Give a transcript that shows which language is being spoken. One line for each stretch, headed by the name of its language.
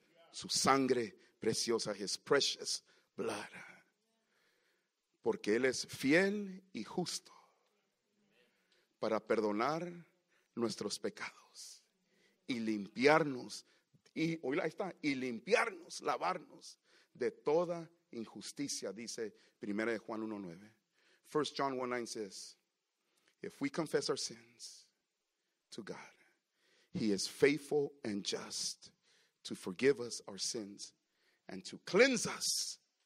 Spanish: Su sangre preciosa,
English: his precious blood.
Spanish: Porque Él es fiel y justo para perdonar nuestros pecados y limpiarnos, y hoy ahí está, y limpiarnos, lavarnos de toda injusticia, dice 1 Juan 1:9.
English: 1 John 1:9 says, if we confess our sins to God, He is faithful and just to forgive us our sins and to cleanse us.